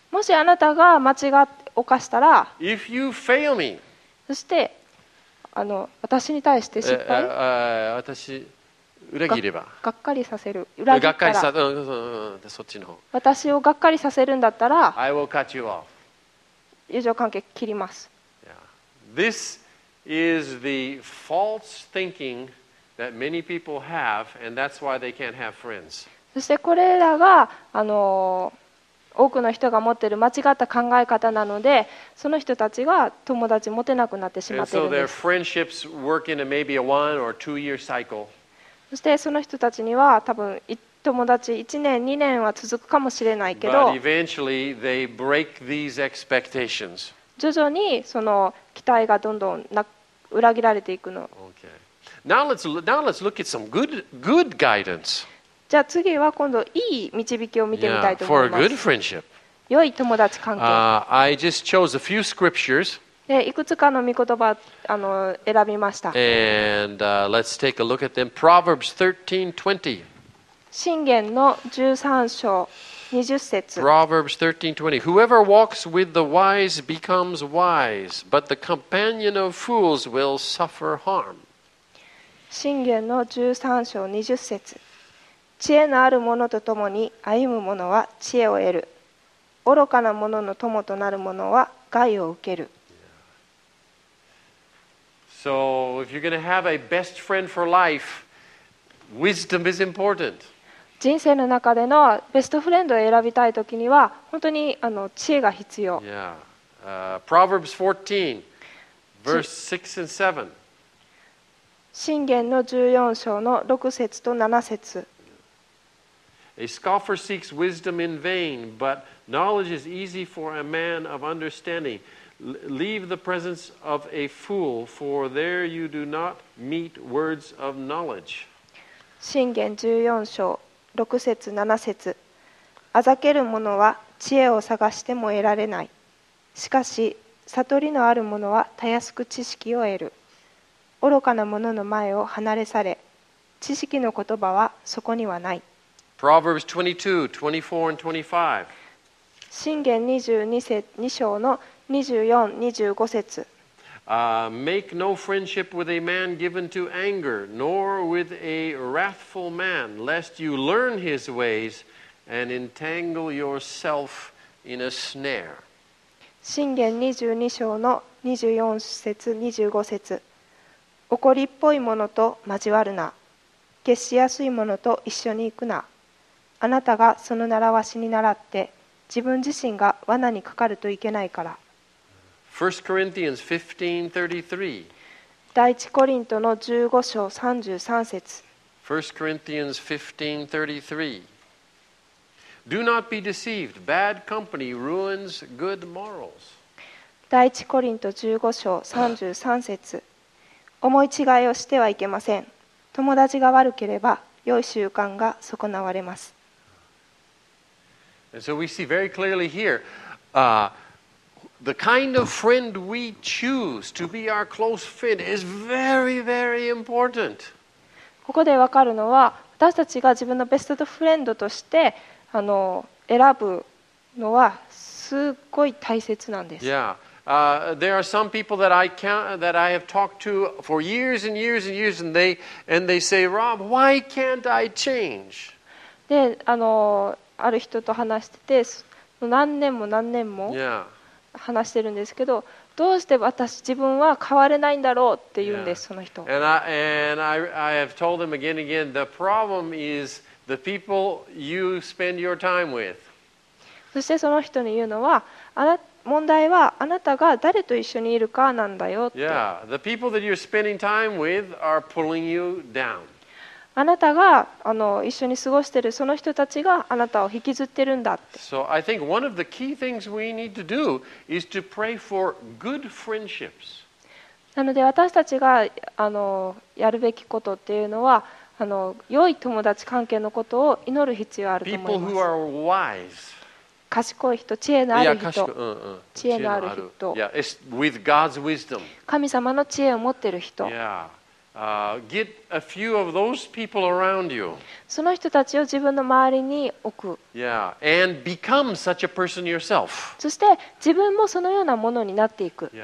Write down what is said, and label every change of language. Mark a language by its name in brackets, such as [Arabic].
[Japanese] もしあなたが間違って犯したら、 [English] if you fail me, [Japanese] そして私に対して失敗、私裏切れば、がっかりさせる、裏切ったら、がっかりさ、うんうんうん、そっちの方、私をがっかりさせるんだったら、 [English] I will cut you off. [Japanese] 友情関係切ります。 [English] Yeah. This is the false thinking. That many people have, and that's why they can't have friends. [Japanese] そしてこれらが多くの人が持っている間違った考え方なので、その人たちが友達持てなくなってしまっているんです。 [English] And so their friendships work in a maybe a one or two year cycle. [Japanese] そしてその人たちには多分友達1年2年は続くかもしれないけど、 [English] But eventually they break these expectations. [Japanese] 徐々にその期待がどんどん裏切られていくの。 [English] Okay. Now let's look at some good guidance. [Japanese] じゃあ次は今度いい導きを見てみたいと思います。 [English] Yeah, for a good friendship. [Japanese] 良い友達関係。 [English] I just chose a few scriptures. [Japanese] でいくつかの御言葉を選びました。 [English] And let's take a look at them. Proverbs 13:20. 箴言の13章20節。 Proverbs 13:20. Whoever walks with the wise becomes wise, but the companion of fools will suffer harm. [Japanese] 箴言の13章20節。知恵のある者と共に歩む者は知恵を得る。愚かな者の友となる者は害を受ける。 [English] So, if you're going to have a best friend for life, wisdom is important. [Japanese] 人生の中でのベストフレンドを選びたいときには、本当に知恵が必要。 [English] Yeah. Proverbs 14, verse 6 and 7. [Japanese] 箴言の14章の6節と7節。 [English] A scoffer seeks wisdom in vain, but knowledge is easy for a man of understanding. Leave the presence of a fool, for there you do not meet words of knowledge. [Japanese] 箴言14章6節7節。あざける者は知恵を探しても得られない。しかし、悟りのある者はたやすく知識を得る。愚かな者の前を離れされ、知識の言葉はそこにはない。 [English] Proverbs 22, 24 and 25. [Japanese] 箴言22章の24、25節。 [English] Make no friendship with a man given to anger, nor with a wrathful man, lest you learn his ways and entangle yourself in a snare. [Japanese] 箴言22章の24節、25節。怒りっぽい者と交わるな。決しやすい者と一緒に行くな。あなたがその習わしに倣って、自分自身が罠にかかるといけないから。 [English] 1 Corinthians 15:33。 [Japanese] 第一コリントの15章33節。 [English] 1 Corinthians 15:33。 Do not be deceived. Bad company ruins good morals. [Japanese] 第一コリント15章33節。思い違いをしてはいけません。友達が悪ければ、良い習慣が損なわれます。 [English] And so we see very clearly here, the kind of friend we choose to be our close friend is very, very important. [Japanese] ここでわかるのは、私たちが自分のベストフレンドとして選ぶのはすっごい大切なんです。 [English] Yeah. There are some people that I can't, that I have talked to for years and years and years, and they say, Rob, why can't I change? [Japanese] で、ある人と話してて、何年も何年も話してるんですけど、どうして私自分は変われないんだろうって言うんです、その人。 [English] And I have told them again and again, the problem is the people you spend your time with. [Japanese] そしてその人に言うのは、あなた問題はあなたが誰と一緒にいるかなんだよって。 [English] Yeah, the people that you're spending time with are pulling you down. [Japanese] あなたが一緒に過ごしているその人たちがあなたを引きずってるんだって。 [English] So I think one of the key things we need to do is to pray for good friendships. [Japanese] なので私たちがやるべきことっていうのは良い友達関係のことを祈る必要があると思います。 [English] People who are wise. [Japanese] 賢い人、知恵のある人、知恵のある人、 [English] With God's wisdom. [Japanese] 神様の知恵を持っている人、 [English] Get a few of those people around you. [Japanese] その人たちを自分の周りに置く、 [English] And become such a person yourself. [Japanese] そして自分もそのようなものになっていく、